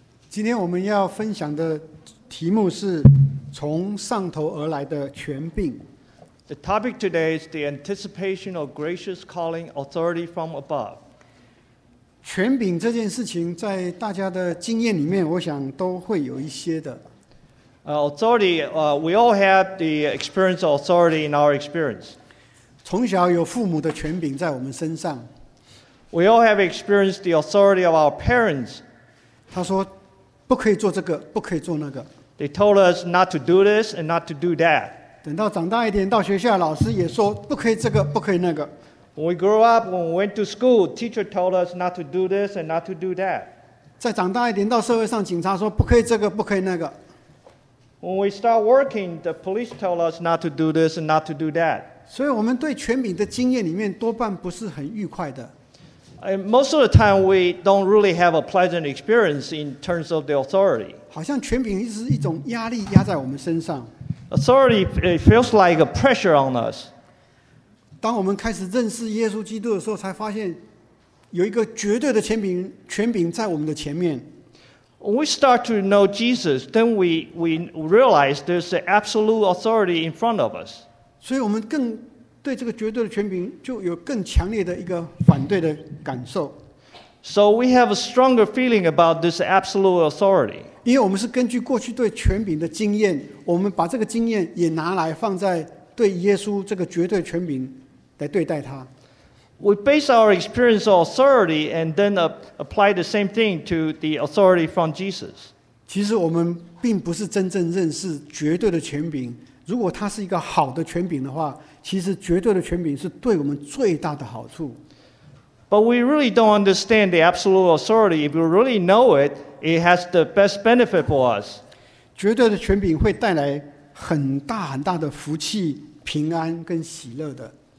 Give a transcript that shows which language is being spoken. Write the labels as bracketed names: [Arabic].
[Chinese] 今天我们要分享的题目是从上头而来的权柄。 [English] The topic today is the anticipation of gracious calling authority from above. [Chinese] 权柄这件事情在大家的经验里面我想都会有一些的。 [English] Authority, we all have the experience of authority in our experience. [Chinese] 从小有父母的权柄在我们身上。 [English] We all have experienced the authority of our parents. [Chinese] 他说不可以做这个，不可以做那个。 [English] They told us not to do this and not to do that. [Chinese] 等到长大一点，到学校，老师也说不可以这个，不可以那个。 [English] When we grew up, when we went to school, teacher told us not to do this and not to do that. [Chinese] 再长大一点，到社会上，警察说不可以这个，不可以那个。 [English] When we start working, the police tell us not to do this and not to do that. [Chinese] 所以我们对权柄的经验里面多半不是很愉快的。 [English] And most of the time, we don't really have a pleasant experience in terms of the authority. [Chinese] 好像权柄是一种压力压在我们身上。 [English] Authority, it feels like a pressure on us. [Chinese] 当我们开始认识耶稣基督的时候，才发现有一个绝对的权柄在我们的前面。 [English] When we start to know Jesus, then we realize there's an absolute authority in front of us. [Chinese] 所以我们更对这个绝对的权柄就有更强烈的一个反对的感受。 [English] So we have a stronger feeling about this absolute authority. [Chinese] 因为我们是根据过去对权柄的经验，我们把这个经验也拿来放在对耶稣这个绝对权柄来对待他。 [English] We base our experience of authority and then apply the same thing to the authority from Jesus. [Chinese] 其实我们并不是真正认识绝对的权柄。如果它是一个好的权柄的话，其实绝对的权柄是对我们最大的好处。 [English] But we really don't understand the absolute authority. If we really know it, it has the best benefit for us. [Chinese] 绝对的权柄会带来很大很大的福气、平安跟喜乐的。